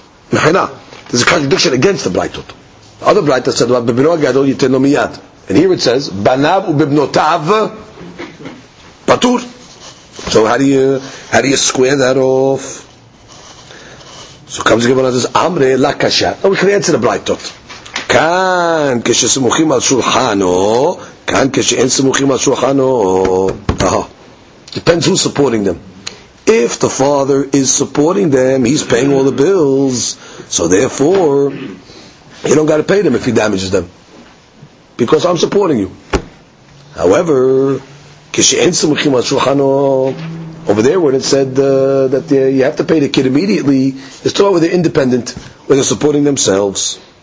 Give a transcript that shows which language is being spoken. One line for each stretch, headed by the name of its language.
English: There's a contradiction against the Braita. The other Braita said what?
Hebrew: Bibino gadol yitenu miyad.
English: And here it says,
Hebrew: Banav ubibnotav patur.
English: So how do you square that off? So comes the Gemara and says,
Hebrew: Amre lakasha.
English: Now we can answer the Braita.
Hebrew: כאן כשסמוכים על שולחנו, כאן כשאין סמוכים על שולחנו,
English: depends who's supporting them. If the father is supporting them, he's paying all the bills, so therefore, you don't got to pay them if he damages them. Because I'm supporting you. However,
Hebrew: כשאין סמוכים על שולחנו,
English: over there when it said that you have to pay the kid immediately, it's talking about they're independent, where they're supporting themselves.